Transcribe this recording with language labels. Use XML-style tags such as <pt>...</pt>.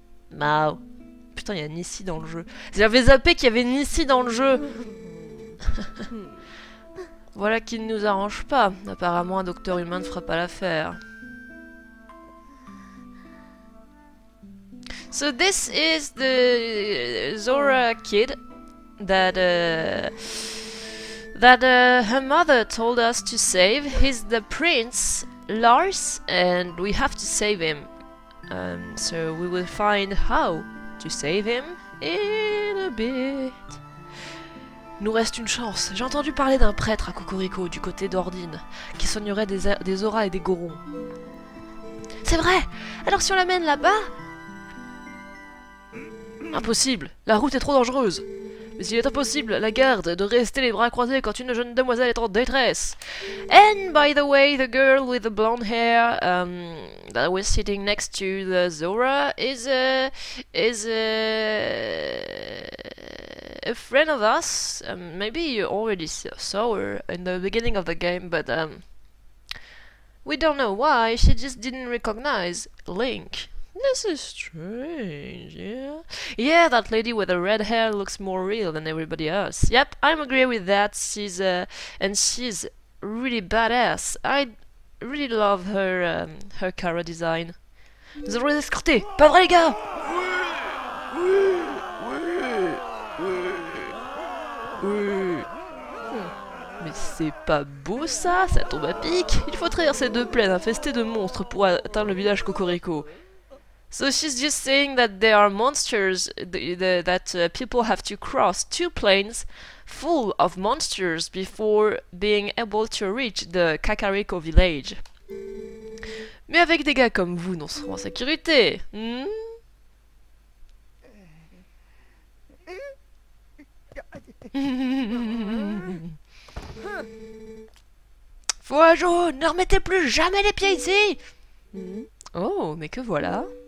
<fr>Mao. Putain, il y a Nissi dans le jeu. J'avais zappé qu'il y avait Nissi dans le jeu. Voilà qui ne nous arrange pas. Apparemment, un docteur humain ne fera pas l'affaire.</fr> <en>So this is the Zora kid that her mother told us to save. He's the prince Lars, and we have to save him. So we will find how to save him in a bit.</en> <fr>Nous reste une chance. J'ai entendu parler d'un prêtre à Cocorico, du côté d'Ordine, qui soignerait des auras et des gorons. C'est vrai! Alors si on l'amène là-bas... Impossible! La route est trop dangereuse! Mais il est impossible, la garde, de rester les bras croisés quand une jeune demoiselle est en détresse.</fr> <en>And by the way, the girl with the blonde hair that was sitting next to the Zora is a friend of us. Maybe you already saw her in the beginning of the game, but we don't know why. She just didn't recognize Link. This is strange, yeah. Yeah, that lady with the red hair looks more real than everybody else. Yep, I agree with that. She's really badass. I really love her her Kara design.</en> <fr>Nous allons les escorter. Pas vrai, les gars? Mais c'est pas beau ça? Ça tombe à pic. Il faut traverser ces deux plaines infestées de monstres pour atteindre le village Cocorico.</fr> <en>So she's just saying that there are monsters that people have to cross two plains full of monsters before being able to reach the Kakariko village.</en> <fr>Mais avec des gars comme vous, nous serons en sécurité. Foajo, ne remettez plus jamais les pieds ici. Oh, mais que voilà.</fr>